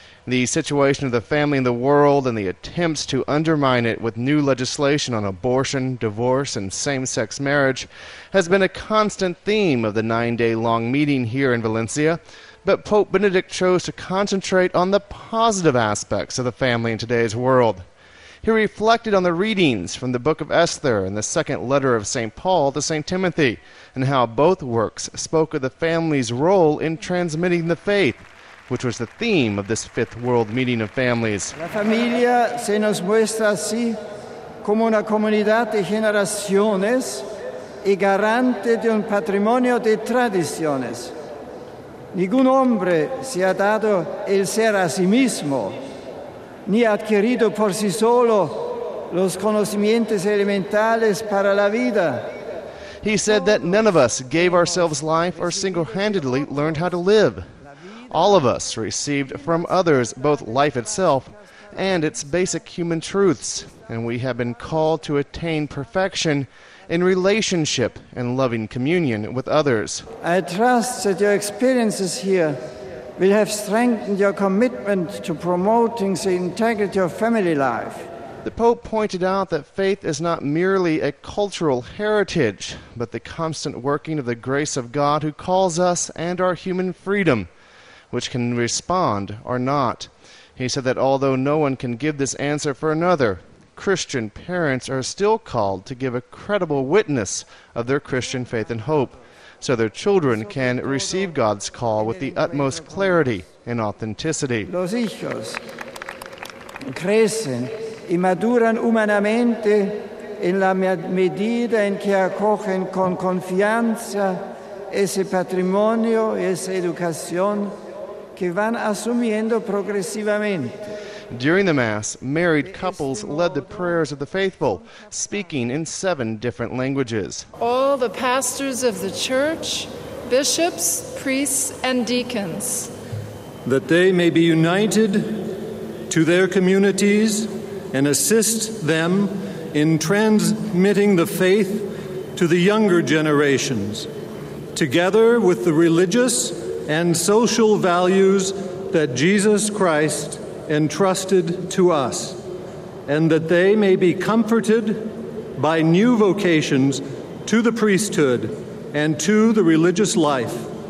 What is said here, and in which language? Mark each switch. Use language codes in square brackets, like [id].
[en] The situation of the family in the world and the attempts to undermine it with new legislation on abortion, divorce, and same-sex marriage has been a constant theme of the 9-day-long meeting here in Valencia, but Pope Benedict chose to concentrate on the positive aspects of the family in today's world. He reflected on the readings from the Book of Esther and the second letter of St. Paul to St. Timothy, and how both works spoke of the family's role in transmitting the faith, which was the theme of this fifth World Meeting of Families. [es] La familia se nos muestra así como una comunidad de generaciones y garante de un patrimonio de tradiciones. Ningún hombre se ha dado el ser a sí mismo, ni ha adquirido por sí solo los conocimientos elementales para la vida. [en] He said that none of us gave ourselves life or single-handedly learned how to live. All of us received from others both life itself and its basic human truths, and we have been called to attain perfection in relationship and loving communion with others. I trust that your experiences here will have strengthened your commitment to promoting the integrity of family life. The Pope pointed out that faith is not merely a cultural heritage, but the constant working of the grace of God who calls us and our human freedom, which can respond or not. He said that although no one can give this answer for another, Christian parents are still called to give a credible witness of their Christian faith and hope, so their children can receive God's call with the utmost clarity and authenticity. [es] Los hijos crecen y maduran humanamente en la medida en que acogen con confianza ese patrimonio y esa educación que van asumiendo progresivamente. [en] During the Mass, married couples led the prayers of the faithful, speaking in 7 different languages. All the pastors of the church, bishops, priests, and deacons. That they may be united to their communities and assist them in transmitting the faith to the younger generations, together with the religious and social values that Jesus Christ entrusted to us, and that they may be comforted by new vocations to the priesthood and to the religious life.